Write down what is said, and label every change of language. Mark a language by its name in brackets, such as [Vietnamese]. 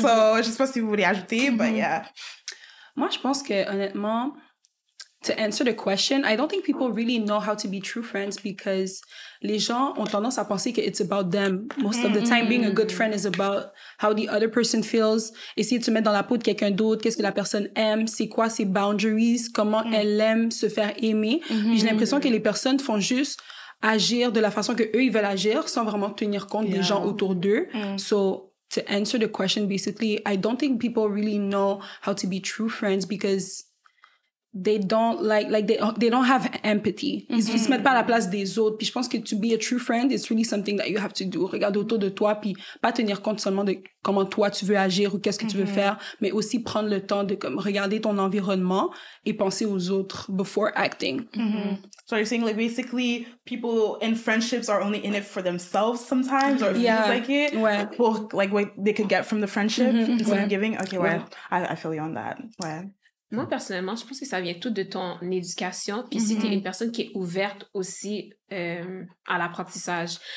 [English] So it's just supposed to be [French] voulez ajouter, [English] but yeah. [French] Moi, je pense que, honnêtement, [English] to answer the question, I don't think people really know how to be true friends, because [French] les gens ont tendance à penser que [English] it's about them. Most of the time, being a good friend is about how the other person feels. [French] Essayer de se mettre dans la peau de quelqu'un d'autre. Qu'est-ce que la personne aime? C'est quoi ses boundaries? Comment elle aime se faire aimer? Puis j'ai l'impression que les personnes font juste agir de la façon qu'eux, ils veulent agir, sans vraiment tenir compte des gens autour d'eux. [English] To answer the question, basically, I don't think people really know how to be true friends, because they don't they don't have empathy. [French] Ils se mettent pas à la place des autres. Puis je pense que [English] to be a true friend, it's really something that you have to do. [French] Regarde autour de toi, puis pas tenir compte seulement de comment toi tu veux agir ou qu'est-ce que tu veux faire, mais aussi prendre le temps de comme regarder ton environnement et penser aux autres [English] before acting. So you're saying like basically people in friendships are only in it for themselves sometimes, or it feels like it, or like what they could get from the friendship instead of giving. Okay, I feel you on that. [French] Moi, personnellement, je pense que ça vient tout de ton éducation, puis si t'es une personne qui est ouverte aussi à l'apprentissage.